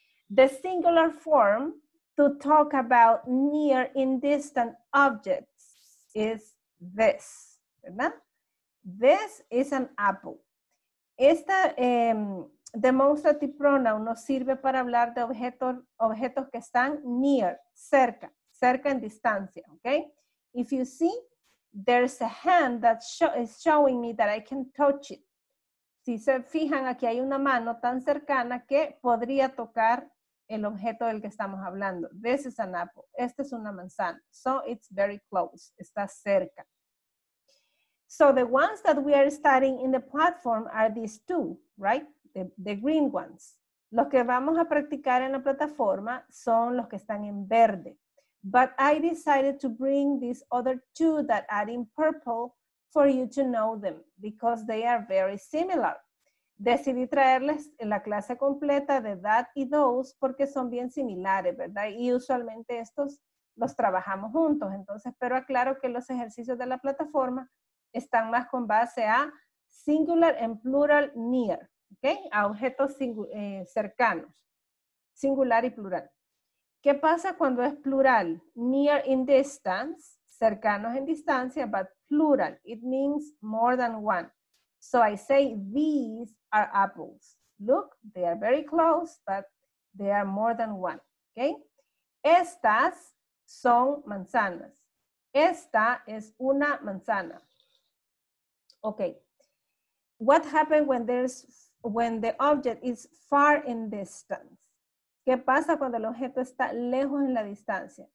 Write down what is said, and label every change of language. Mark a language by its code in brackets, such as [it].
[en] The singular form to talk about near and distant objects is this. ¿Verdad? This is an apple. [es] Esta, demonstrative pronoun nos sirve para hablar de objetos que están near, cerca. Cerca en distancia, okay? [en] If you see, there's a hand that is showing me that I can touch it. [es] Si se fijan, aquí hay una mano tan cercana que podría tocar el objeto del que estamos hablando. [en] This is an apple. [es] Esta es una manzana. [en] So it's very close. [es] Está cerca. [en] So the ones that we are studying in the platform are these two, right? The green ones. [es] Los que vamos a practicar en la plataforma son los que están en verde. [en] But I decided to bring these other two that are in purple for you to know them because they are very similar. [es] Decidí traerles la clase completa de that y those porque son bien similares, ¿verdad? Y usualmente estos los trabajamos juntos. Entonces, pero aclaro que los ejercicios de la plataforma están más con base a [en] singular and plural near, [es] ¿ok? A objetos cercanos, singular y plural. ¿Qué pasa cuando es plural? [en] Near in distance, [es] cercanos en distancia, [en] but plural. It means more than one. So I say these are apples. Look, they are very close, but they are more than one. [es] Okay? Estas son manzanas. Esta es una manzana. Okay. [en] What happens when the object is far in distance? [es] ¿Qué pasa cuando el objeto está lejos en la distancia?